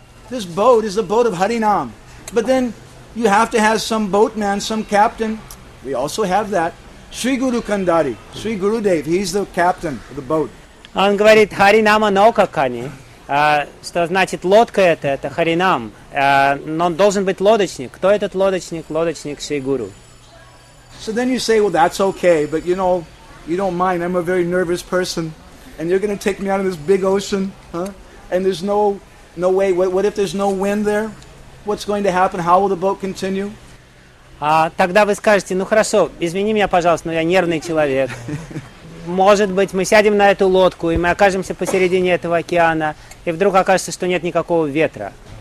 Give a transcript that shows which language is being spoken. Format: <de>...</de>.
<en>This boat is the boat of Harinam. But then you have to have some boatman, some captain. We also have that. Sri Guru Kandari, Sri Gurudev, he's the captain of the boat.</en> <ru>Он говорит Харинама Нокакани, что значит лодка это Харинам. Но он должен быть лодочник. Кто этот лодочник? Лодочник Sri Guru.</ru> <en>So then you say, well, that's okay, but you know, you don't mind. I'm a very nervous person, and you're going to take me out of this big ocean, huh? And there's no way. What if there's no wind there? What's going to happen? How will the boat continue?</en> <ru>Тогда вы скажете, ну хорошо, извини меня, пожалуйста, но я нервный человек. Может быть, мы сядем на эту лодку, и мы окажемся посередине этого океана, и вдруг окажется, что нет никакого ветра.</ru>